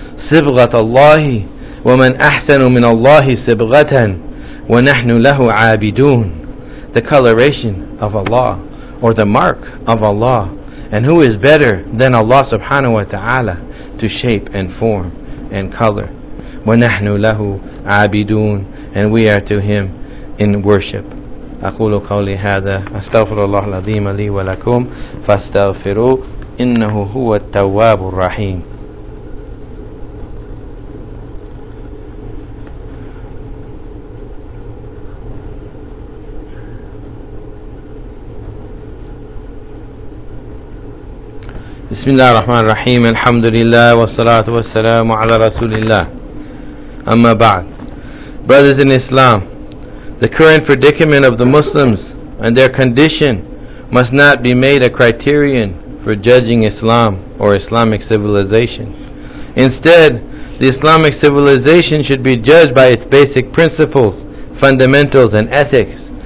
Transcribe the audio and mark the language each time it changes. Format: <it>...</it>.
<ar>صِبْغَةَ اللَّهِ وَمَنْ أَحْسَنُ مِنَ اللَّهِ صِبْغَةً وَنَحْنُ لَهُ عَابِدُونَ.</ar> <en>The coloration of Allah, or the mark of Allah, and who is better than Allah subhanahu wa ta'ala to shape and form and color.</en> <ar>وَنَحْنُ لَهُ عَابِدُونَ.</ar> <en>And we are to Him in worship.</en> <ar>أقول قولي هذا أستغفر الله العظيم لي ولكم فاستغفروه إنه هو التواب الرحيم. بسم الله الرحمن الرحيم. الحمد لله والصلاة والسلام على رسول الله. أما بعد,</ar> <en>brothers in Islam, the current predicament of the Muslims and their condition must not be made a criterion for judging Islam or Islamic civilization. Instead, the Islamic civilization should be judged by its basic principles, fundamentals, and ethics.</en>